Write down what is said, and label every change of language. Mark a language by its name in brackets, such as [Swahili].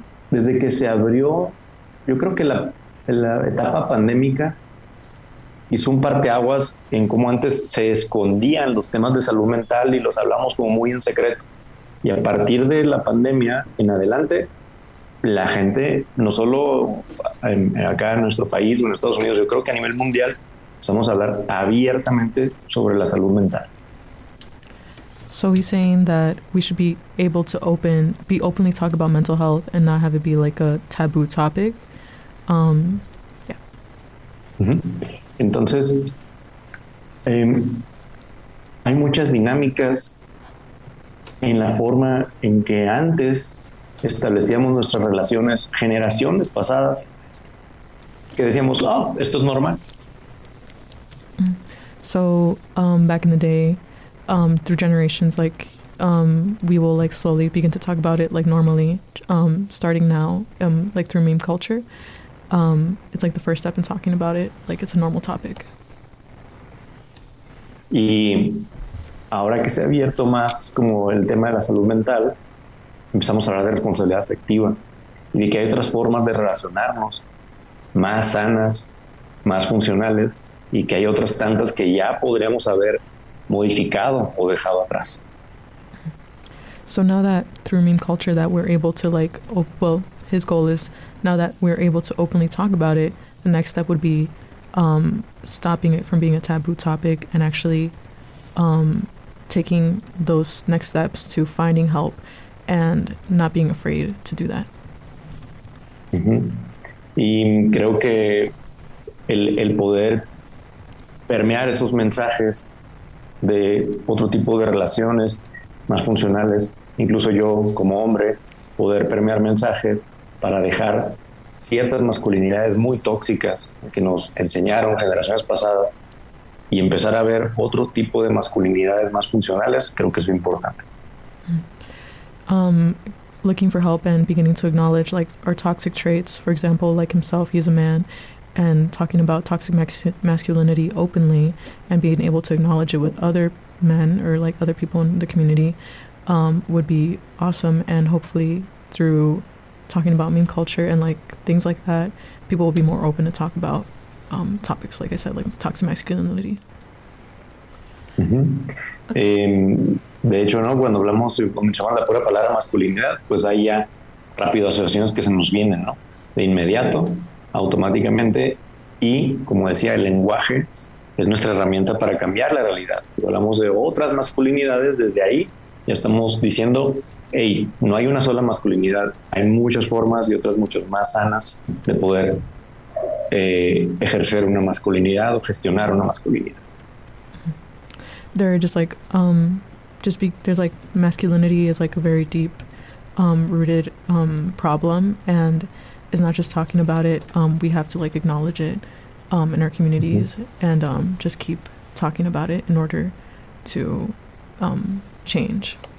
[Spanish] Desde que se abrió, yo creo que la etapa pandémica hizo un parteaguas en cómo antes se escondían los temas de salud mental y los hablamos como muy en secreto. Y a partir de la pandemia en adelante, la gente, no solo acá en nuestro país o en Estados Unidos, yo creo que a nivel mundial, vamos a hablar abiertamente sobre la salud mental. [English] So he's saying that we should be able to openly talk about mental health and not have it be like a taboo topic. Yeah. Mm-hmm. [Spanish] Entonces, hay muchas dinámicas en la forma en que antes establecíamos nuestras relaciones generaciones pasadas que decíamos, oh, esto es normal. [English] So back in the day, through generations, like we will like slowly begin to talk about it like normally, starting now, like through meme culture. It's like the first step in talking about it, like it's a normal topic. [Spanish] Y ahora que se ha abierto más como el tema de la salud mental, empezamos a hablar de responsabilidad afectiva y de que hay otras formas de relacionarnos más sanas, más funcionales, y que hay otras tantas que ya podríamos haber modificado o dejado atrás. [English] So now that through meme culture that we're able to like, well, his goal is now that we're able to openly talk about it, the next step would be stopping it from being a taboo topic and actually taking those next steps to finding help and not being afraid to do that. Mm-hmm. [Spanish] Y creo que el poder permear esos mensajes de otro tipo de relaciones más funcionales, incluso yo como hombre, poder permear mensajes para dejar ciertas masculinidades muy tóxicas que nos enseñaron generaciones pasadas y empezar a ver otro tipo de masculinidades más funcionales, creo que es importante. [English] looking for help and beginning to acknowledge like our toxic traits. For example, like himself, he's a man, and talking about toxic masculinity openly and being able to acknowledge it with other men or like other people in the community would be awesome. And hopefully through talking about meme culture and like things like that, people will be more open to talk about topics, like I said, like toxic masculinity. [Spanish] Mm-hmm. Okay. De hecho, ¿no? Cuando hablamos, mencionamos la pura palabra masculinidad, pues hay ya rápido asociaciones que se nos vienen, ¿no? De inmediato, automáticamente, y como decía, el lenguaje es nuestra herramienta para cambiar la realidad. Si hablamos de otras masculinidades, desde ahí ya estamos diciendo, hey, no hay una sola masculinidad, hay muchas formas y otras mucho más sanas de poder ejercer una masculinidad o gestionar una masculinidad. [English] There are there's like masculinity is like a very deep rooted problem, and it's not just talking about it. We have to like acknowledge it in our communities, mm-hmm. and just keep talking about it in order to change.